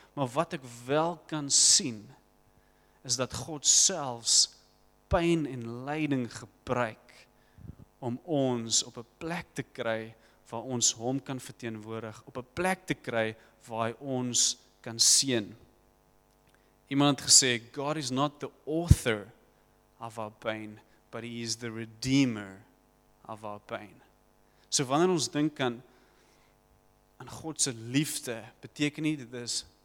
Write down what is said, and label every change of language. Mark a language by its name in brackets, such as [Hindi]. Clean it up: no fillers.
[Afrikaans] Maar wat ek wel kan sien, is dat God selfs pyn en lyding gebruik om ons op 'n plek te kry waar ons hom kan verteenwoordig, op 'n plek te kry waar hy ons kan seën. Iemand het gesê, [English] God is not the author of our pain, but he is the redeemer of our pain. [Afrikaans] So wanneer ons dink aan God se liefde, beteken nie dit is